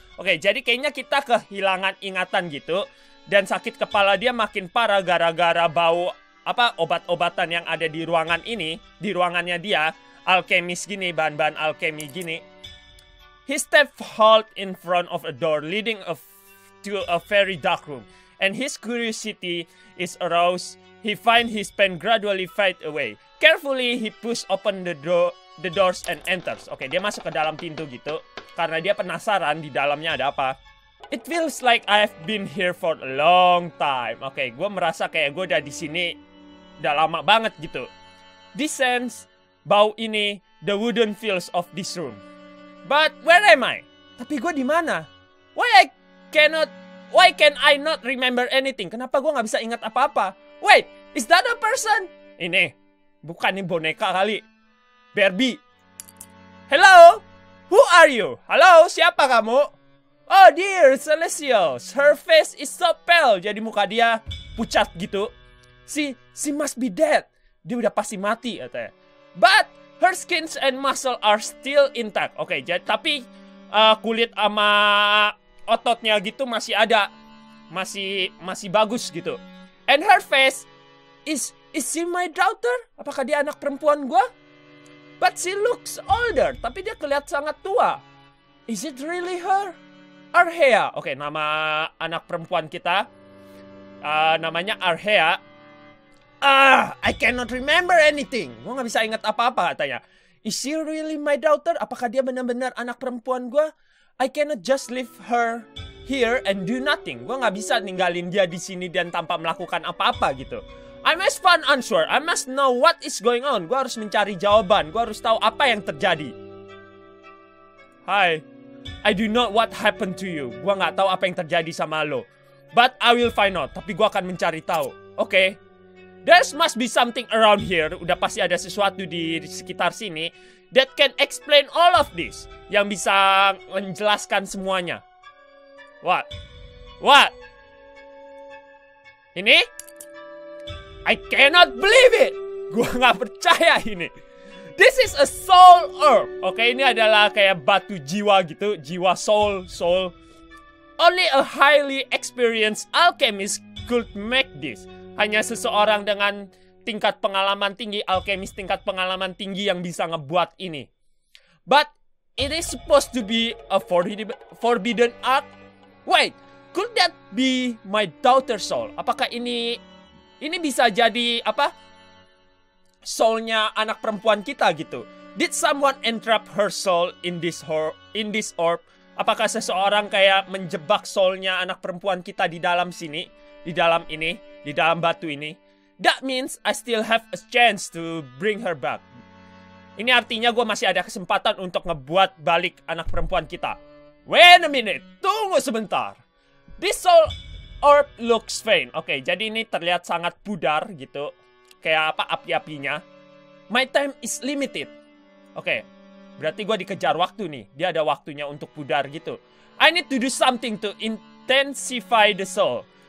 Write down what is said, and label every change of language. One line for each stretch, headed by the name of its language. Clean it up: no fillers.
Indonesian: Okay, jadi kayaknya kita kehilangan ingatan gitu, dan sakit kepala dia makin parah gara-gara bau apa obat-obatan yang ada di ruangan ini, di ruangannya dia, alkemis gini, bahan-bahan alkemi gini.
English: He steps halt in front of a door leading to a very dark room, and his curiosity is aroused. He finds his pain gradually fade away. Carefully, he pushes open the doors and enters.
Indonesian: Okay, dia masuk ke dalam pintu gitu, karena dia penasaran di dalamnya ada apa.
English: It feels like I've been here for a long time.
Indonesian: Okay, gue merasa kayak gue udah di sini udah lama banget gitu.
English: This sense,
Indonesian: bau ini,
English: the wooden feels of this room. But where am I?
Indonesian: Tapi gue di mana?
English: Why can I not remember anything?
Indonesian: Kenapa gue nggak bisa ingat apa-apa?
English: Wait, is that a person?
Indonesian: Ini, bukan ini boneka kali.
English: Barbie. Hello, who are you?
Indonesian: Halo, siapa kamu?
English: Oh dear,
Indonesian: Celestial.
English: Her face is so pale.
Indonesian: Jadi muka dia pucat gitu.
English: She must be dead.
Indonesian: Dia udah pasti mati katanya.
English: But her skins and muscle are still intact.
Indonesian: Okay, tapi kulit sama ototnya gitu masih ada. Masih bagus gitu.
English: And her face, is she my daughter?
Indonesian: Apakah dia anak perempuan gua?
English: But she looks older,
Indonesian: tapi dia kelihat sangat tua.
English: Is it really her? Arhea.
Indonesian: Okay, nama anak perempuan kita. Namanya Arhea.
English: I cannot remember anything.
Indonesian: Gua gak bisa ingat apa-apa katanya.
English: Is she really my daughter?
Indonesian: Apakah dia benar-benar anak perempuan gua?
English: I cannot just leave her here and do nothing.
Indonesian: Gua gak bisa ninggalin dia di sini dan tanpa melakukan apa-apa gitu.
English: I must find answer. I must know what is going on.
Indonesian: Gua harus mencari jawaban. Gua harus tahu apa yang terjadi. Hi.
English: I do not what happened to you.
Indonesian: Gua gak tahu apa yang terjadi sama lo.
English: But I will find out.
Indonesian: Tapi gua akan mencari tahu.
English: Okay. There must be something around here.
Indonesian: Udah pasti ada sesuatu di sekitar sini
English: that can explain all of this.
Indonesian: Yang bisa menjelaskan semuanya.
English: What? What?
Indonesian: Ini?
English: I cannot believe it.
Indonesian: Gua gak percaya ini.
English: This is a soul herb.
Indonesian: Okay, ini adalah kayak batu jiwa gitu. Jiwa soul.
English: Only a highly experienced alchemist could make this.
Indonesian: Hanya seseorang dengan tingkat pengalaman tinggi, alkemis tingkat pengalaman tinggi yang bisa ngebuat ini.
English: But it is supposed to be a forbidden art. Wait, could that be my daughter's soul?
Indonesian: Apakah ini bisa jadi apa? Soulnya anak perempuan kita gitu.
English: Did someone entrap her soul in this orb?
Indonesian: Apakah seseorang kayak menjebak soulnya anak perempuan kita di dalam sini, di dalam ini? Di dalam batu ini.
English: That means I still have a chance to bring her back.
Indonesian: Ini artinya gue masih ada kesempatan untuk ngebuat balik anak perempuan kita.
English: Wait a minute.
Indonesian: Tunggu sebentar.
English: This soul orb looks faint.
Indonesian: Okay, jadi ini terlihat sangat pudar gitu. Kayak apa api-apinya.
English: My time is limited.
Indonesian: Okay, berarti gue dikejar waktu nih. Dia ada waktunya untuk pudar gitu.
English: I need to do something to intensify the soul.